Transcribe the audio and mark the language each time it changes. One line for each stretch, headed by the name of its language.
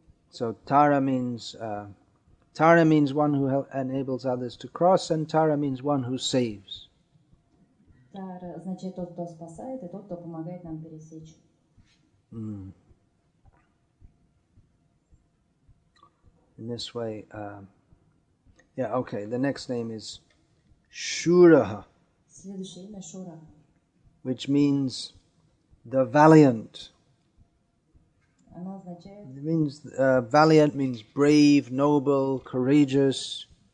English: So Tara means one who enables others to cross, and Tara means one who saves.
Russian: Tara значит тот, кто спасает, и тот, кто помогает нам пересечь.
English: In this way, the next name is Shuraha.
Russian: Следующее имя Шура.
English: Which means the valiant. It means valiant means brave, noble, courageous.